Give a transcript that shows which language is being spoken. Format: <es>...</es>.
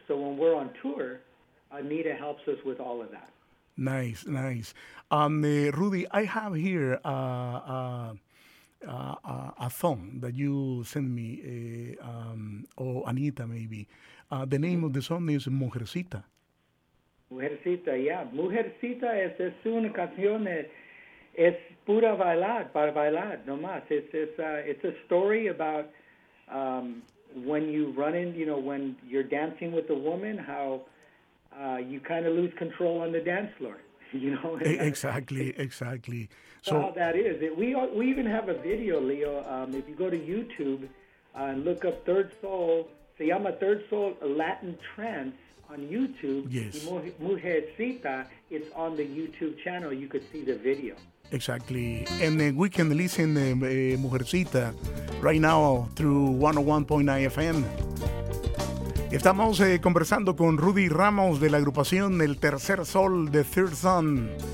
<en>So when we're on tour, Anita helps us with all of that. Nice, nice. Rudy, I have here a song that you sent me, or Anita maybe. The name of the song is Mujercita. Mujercita, yeah.</en> <es>Mujercita es una canción, es pura bailar, para bailar, no más.</es> <en>It's a story about when you run in, you know, when you're dancing with a woman, how you kind of lose control on the dance floor, you know? Exactly. So how that is. We even have a video, Leo. If you go to YouTube and look up Third Soul,</en> <es>se llama</es> <en>Third Soul Latin Trance, on YouTube, yes. Mujercita, it's on the YouTube channel. You could see the video. Exactly. And we can listen to Mujercita right now through 101.9 FM.</en> <es>Estamos conversando con Rudy Ramos de la agrupación El Tercer Sol de Third Sun.</es>